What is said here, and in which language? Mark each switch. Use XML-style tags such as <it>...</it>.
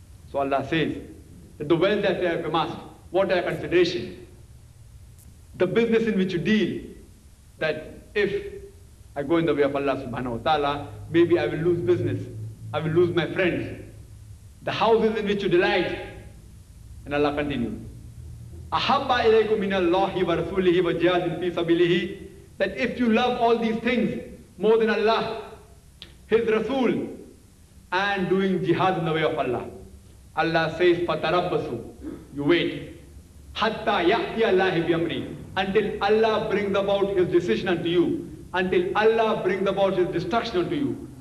<en>So Allah says that the wealth that you have amassed, what are your considerations? The business in which you deal, that if I go in the way of Allah subhanahu wa ta'ala, maybe I will lose business, I will lose my friends, the houses in which you delight. And Allah continues,</en> <ar>أَحَبَّ إِلَيْكُمْ مِنَ اللَّهِ وَرَسُولِهِ وَجِهَادٍ فِي سَبِيلِهِ.</ar> <en>That if you love all these things more than Allah, His Rasul, and doing jihad in the way of Allah, Allah says, Fatarabbasu, you wait.</en> <ar>Hatta yahti Allahi biyamri,</ar> <en>until Allah brings about his decision unto you, until Allah brings about his destruction unto you.</en>